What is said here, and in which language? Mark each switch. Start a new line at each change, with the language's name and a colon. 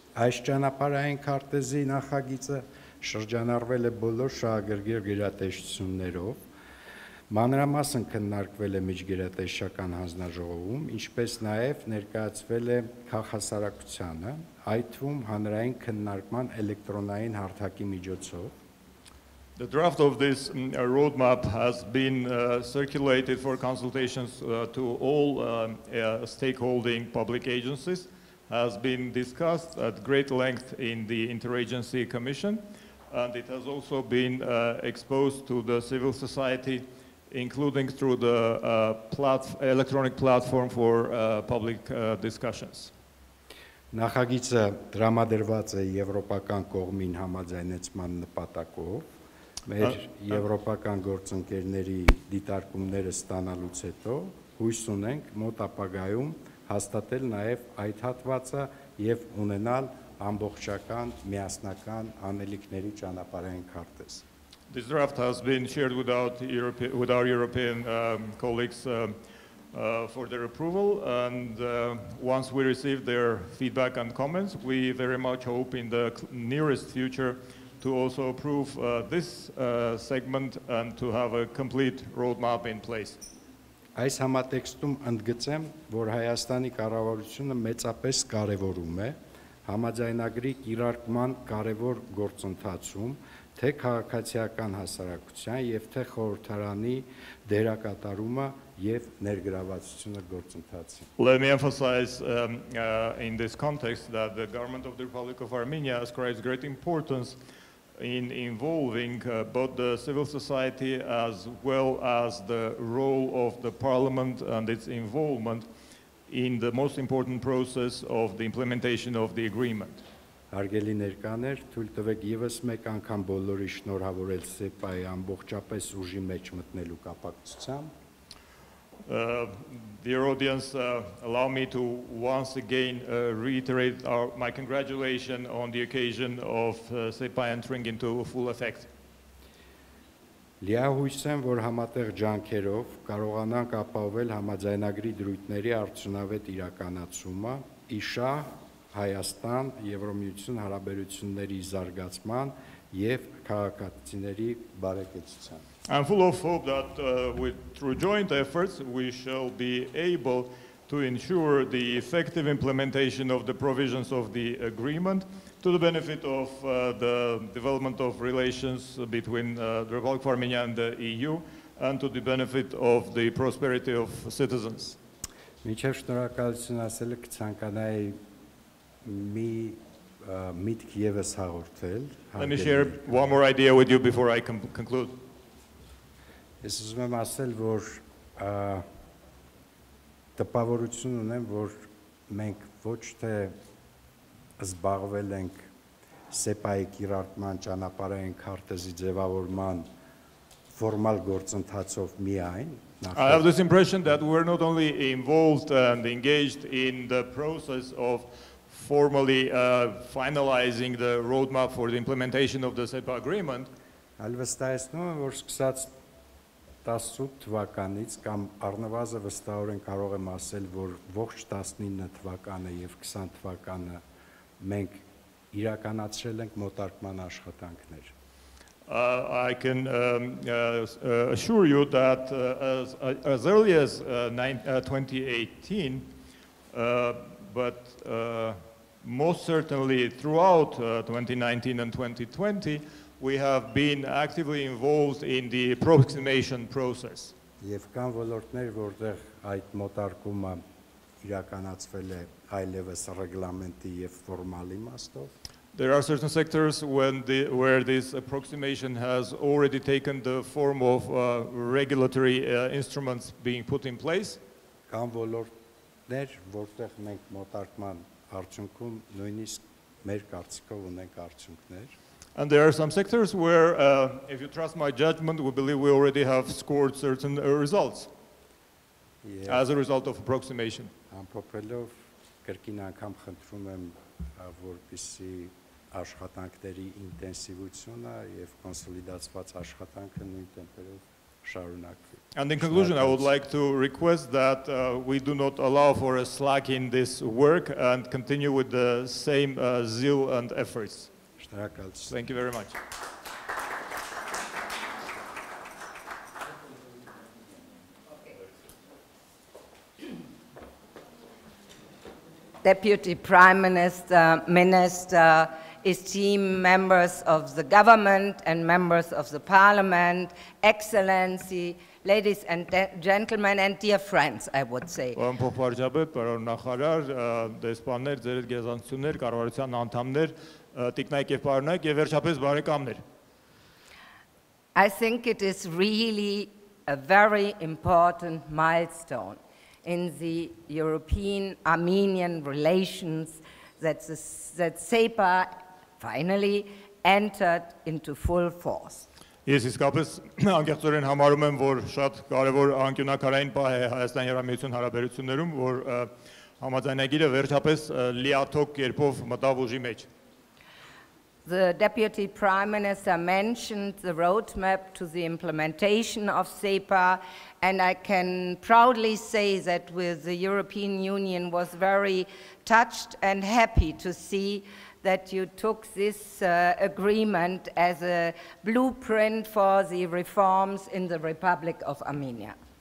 Armenian: Այս ճանապարհային քարտեզի նախագիծը շրջանառվել է բոլոր շահագրգիռ գերատեսչություններով, մանրամասն քննարկվել է միջգերատեսչական հանձնաժողովում, ինչպես նաև ներկայացվել է քաղաքասարակությանը, այդ թվում հանրային քննարկման էլեկտրոնային հարթակի միջոցով.
English: The draft of this roadmap has been circulated for consultations to all stakeholding public agencies, has been discussed at great length in the Interagency Commission, and it has also been exposed to the civil society, including through the electronic platform for public discussions.
Armenian: Նախագիծը դրամադրված է եվրոպական կողմին համաձայնեցման նպատակով, մեր եվրոպական գործընկերների դիտարկումները ստանալուց հետո հույս ունենք մոտ ապագայում հաստատել նաև այդ հատվածը եւ ունենալ ամբողջական միասնական անելիքների ճանապարհային քարտեզ.
English: This draft has been shared with our European colleagues for their approval, and once we receive their feedback and comments, we very much hope in the nearest future to also approve this segment and to have a complete roadmap in place.
Armenian: Այս համատեքստում ընդգծեմ, որ Հայաստանի կառավարությունը մեծապես կարևորում է համաձայնագրի կիրարկման կարևոր գործընթացում, թե քաղաքացիական հասարակության եւ թե խորհրդարանի դերակատարումը եւ ներգրավվածությունը գործընթացի։
English: Let me emphasize in this context that the government of the Republic of Armenia ascribes great importance in involving both the civil society as well as the role of the parliament and its involvement in the most important process of the implementation of the agreement.
Armenian: Հարգելի ներկաներ, թույլ տվեք եւս մեկ անգամ բոլորի շնորհավորել ՍԵՊԱ-ի ամբողջապես ուժի մեջ մտնելու կապակցությամբ.
English: Dear audience, allow me to once again reiterate my congratulations on the occasion of SEPA entering into full effect.
Armenian: Լիահույս եմ, որ համատեղ ջանքերով կարողանանք ապահովել համաձայնագրի դրույթների արդյունավետ իրականացումը, իշա Հայաստան-Եվրոմիություն հարաբերությունների զարգացման եւ քաղաքացիների բարեկեցության։
English: I'm full of hope that through joint efforts we shall be able to ensure the effective implementation of the provisions of the agreement to the benefit of the development of relations between the Republic of Armenia and the EU and to the benefit of the prosperity of citizens.
Armenian: Միջև շնորհակալություն ասելը կցանկանայի մի միտք եւս հաղորդել։
English: Let me share one more idea with you before I conclude.
Armenian: Ես ուզում եմ ասել, որ տպավորություն ունեմ, որ մենք ոչ թե զբաղվել ենք ՍԵՊԱ-ի կիրարկման ճանապարհային քարտեզի ձևավորման ֆորմալ գործընթացով միայն,
English: I have this impression that we are not only involved and engaged in the process of formally finalizing the roadmap for the implementation of the ՍԵՊԱ agreement,
Armenian: այլ վստահեցնում եմ, որ սկսած 18 թվականից կամ առնվազն վստահորեն կարող եմ ասել, որ ողջ 19 թվականը եւ 20 թվականը մենք իրականացրել ենք մոտարկման աշխատանքներ։
English: I can assure you that as early as 2018 but most certainly throughout 2019 and 2020 we have been actively involved in the approximation process.
Armenian: Եվ կան ոլորտներ, որտեղ այդ մոտարկումը իրականացվել է այլևս ռեգլամենտի եւ ֆորմալի մասով.
English: There are certain sectors where this approximation has already taken the form of regulatory instruments being put in place.
Armenian: Կան ոլորտներ, որտեղ մենք մոտարկման արդյունքում նույնիսկ մեր կարծիքով ունենք արդյունքներ.
English: And there are some sectors where if you trust my judgment, we believe we already have scored certain results. Yeah. As a result of approximation.
Armenian: Ամփոփելով կրկին անգամ խնդրում եմ որպեսի աշխատանքների ինտենսիվությունը եւ կոնսոլիդացված աշխատանքը նույն տեմպերով շարունակվի։
English: And in conclusion, I would like to request that we do not allow for a slack in this work and continue with the same zeal and efforts.
Armenian: Շնորհակալություն։
English: Thank you very much. Deputy Prime Minister, Minister, esteemed members of the government and members of the parliament, Excellency, ladies and gentlemen, and dear friends, I would say. I think it is really a very important milestone in the European-Armenian relations that SEPA finally entered into full force.
Armenian: Ես իսկապես անկեղծորեն համարում եմ, որ շատ կարևոր անկյունակարային պահ է Հայաստան-Եվրամիություն հարաբերություններում, որ համաձայնագիրը վերջապես լիաթոք կերպով մտավ ուժի մեջ.
English: The Deputy Prime Minister mentioned the roadmap to the implementation of SEPA, and I can proudly say that with the European Union was very touched and happy to see that you took this agreement as a blueprint for the reforms in the Republic of Armenia.